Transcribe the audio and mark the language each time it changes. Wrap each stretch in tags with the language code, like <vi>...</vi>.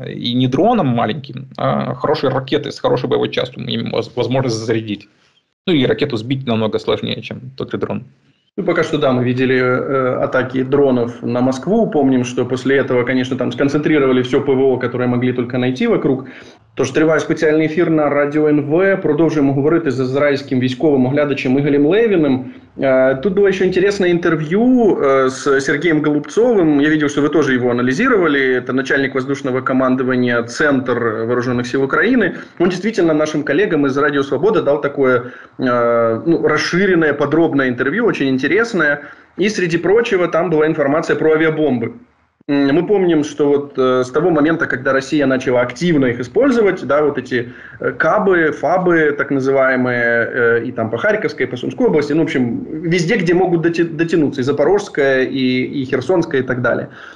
<ru>И не дроном маленьким, а хорошей ракетой с хорошей боевой частью, им возможность зарядить. Ну и ракету сбить намного сложнее, чем тот же дрон. Ну пока что да, мы видели атаки дронов на Москву. Помним, что после этого, конечно, там сконцентрировали все ПВО, которое могли только найти вокруг.</ru> <uk>Тож триває спеціальний ефір на Радіо НВ. Продовжуємо говорити з ізраїльським військовим оглядачем Ігорем Левіним. Тут було ще інтересне інтерв'ю з Сергієм Голубцовим. Я бачив, що ви теж його аналізували. Це</uk> <ru>начальник воздушного</ru> <uk>командування Центр Вооружених Сил України. Він дійсно нашим колегам із Радіо Свобода дав таке розширене, подробне інтерв'ю, дуже інтересне. І серед прочого там була інформація про авіабомби.</uk> <ru>Мы помним, что вот с того момента, когда Россия начала активно их использовать, да, вот эти КАБы, ФАБы, так называемые, и там по Харьковской, и по Сумской области, ну, в общем, везде, где могут дотянуться, и Запорожская, и Херсонская, и так далее.</ru>